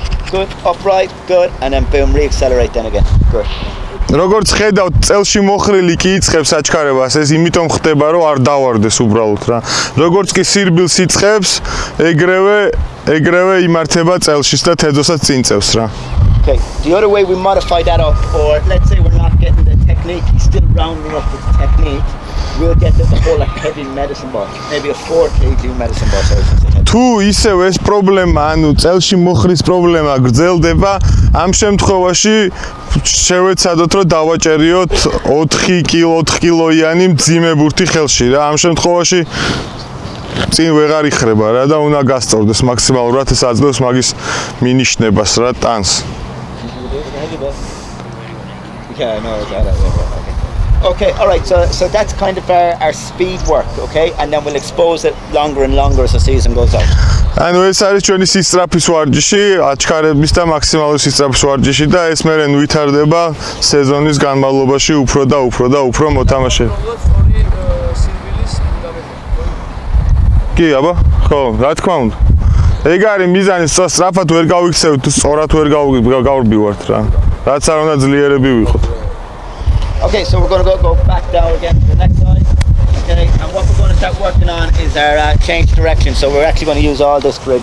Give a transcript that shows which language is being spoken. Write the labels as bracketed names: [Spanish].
[English] Good, upright, good and then boom, re-accelerate then again. Good. [Georgian] როგორც ხედავთ, წელში მოხრილი კი იწყებს აჩქარებას, ეს იმიტომ ხდება, რომ არ დავარდეს უბრალოდ რა. როგორც კი სირბილს იწყებს, ეგრევე იმართება წელშიც და თეძოსაც წინწევს რა. [English] Okay. The other way we modify that up or let's say we're not getting the technique, he's still rounding up with the technique. We'll get this a whole like heavy medicine box, maybe a 4 kg medicine box. [Georgian] თუ ისევ ეს პრობლემა, ანუ წელში მოხრის პრობლემა გრძელდება, ამ შემთხვევაში შევეცადოთ, რომ დავაჭერიოთ 4 კილოიანი მძიმე ბურთი ხელში რა. ამ შემთხვევაში წინ ვეღარ იხრება რა და უნდა გასწორდეს მაქსიმალურად ეს აძლევს მაგის მინიშნებას რა, ტანს. [English] Okay, all right, so that's kind of our speed work, okay? And then we'll expose it longer and longer as the season goes on. [Georgian] ანუ ეს არის ჩვენი სისწრაფის ვარჯიში, აჩქარების და მაქსიმალური სისწრაფის ვარჯიში და ეს მერე ვითარდება სეზონის განმავლობაში უფრო და უფრო და უფრო მოთამაშე. კი, აბა, ხო, რა თქმა უნდა. ეგ არის მიზანი, სწრაფად ვერ გავიქცევთ, სწორად ვერ გავრბივართ რა. რაც არ უნდა ძლიერები ვიყოთ. [English] Okay, so we're going to go back down again to the next side. Okay, and what we're going to just start working on is our change direction. So we're actually going to use all this grid.